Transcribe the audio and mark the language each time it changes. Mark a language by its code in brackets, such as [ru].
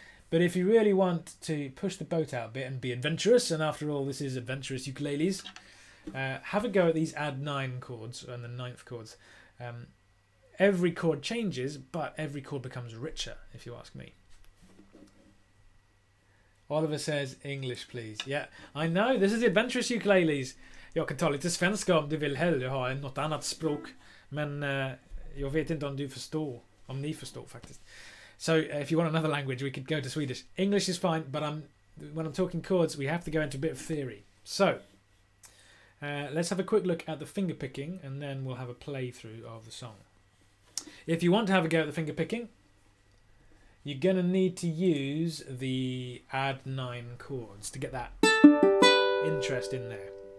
[en] But if you really want to push the boat out a bit and be adventurous, and after all this is Adventurous Ukuleles, have a go at these add 9 chords and the ninth chords. Every chord changes, but every chord becomes richer, if you ask me. Oliver says, English, please. Yeah, I know. This is the Adventurous Ukuleles. [sv] Jag kan ta lite svenska om du vill hellre ha något annat språk. Men jag vet inte om du förstår. Om ni förstår, faktiskt. [en] So, if you want another language, we could go to Swedish. English is fine, but when I'm talking chords, we have to go into a bit of theory. So, let's have a quick look at the finger picking, and then we'll have a playthrough of the song. If you want to have a go at the finger picking, you're going to need to use the add 9 chords to get that interest in there.